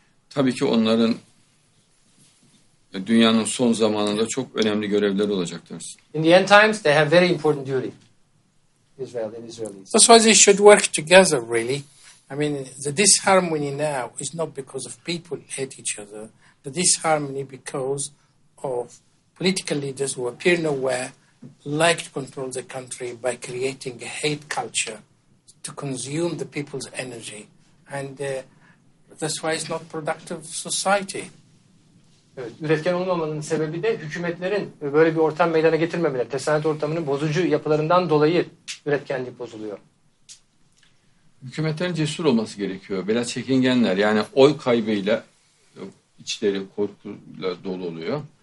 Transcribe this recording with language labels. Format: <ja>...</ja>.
<tr>Tabii ki onların dünyanın son zamanında çok önemli görevleri olacaktır.</tr> <en>In the end times, they have very important duty. Israel and Israelis. That's why they should work together, really. I mean, the disharmony now is not because of people hate each other. The disharmony because of political leaders who appear nowhere, like to control the country by creating a hate culture to consume the people's energy. And that's why it's not productive society.</en> <tr>Evet, üretken olmamanın sebebi de hükümetlerin böyle bir ortam meydana getirmemeleri, tesanet ortamının bozucu yapılarından dolayı üretkenliği bozuluyor. Hükümetlerin cesur olması gerekiyor. Biraz çekingenler, yani oy kaybıyla içleri korkuyla dolu oluyor.</tr>